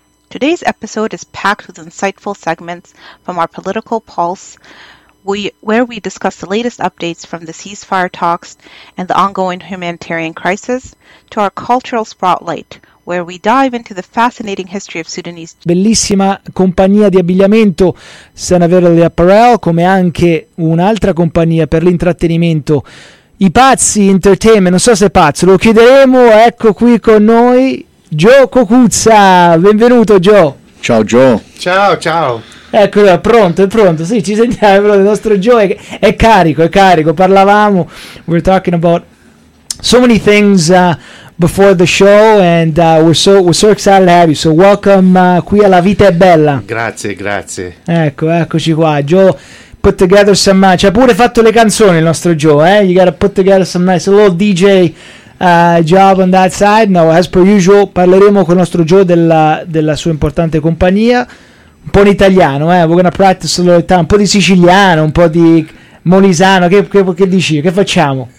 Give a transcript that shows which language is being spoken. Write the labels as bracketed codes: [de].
[en] Today's episode is packed with insightful segments from our political pulse, where we discuss the latest updates from the ceasefire talks and the ongoing humanitarian crisis, to our cultural spotlight, where we dive into the fascinating history of Sudanese. [it] Bellissima compagnia di abbigliamento Sanaverly Apparel, come anche un'altra compagnia per l'intrattenimento, I Pazzi Entertainment. Non so se è pazzo, lo chiederemo. Ecco qui con noi Joe Cocuzza. Benvenuto, Joe. Ciao, Joe. Ciao, ciao. Ecco, è pronto, sì, ci sentiamo, il nostro Joe è carico, parlavamo, [en] we're talking about so many things before the show, and we're so excited to have you, so welcome [it] qui alla Vita è Bella. Grazie. Ecco, eccoci qua, [en] Joe put together some, [it] ci ha pure fatto le canzoni il nostro Joe, eh? [en] You gotta put together some nice, a little DJ job on that side. Now, as per usual, [it] parleremo con il nostro Joe della sua importante compagnia, un po' in italiano, [en] we're gonna practice a little, [it] un po' di siciliano, un po' di molisano, che dici, che facciamo?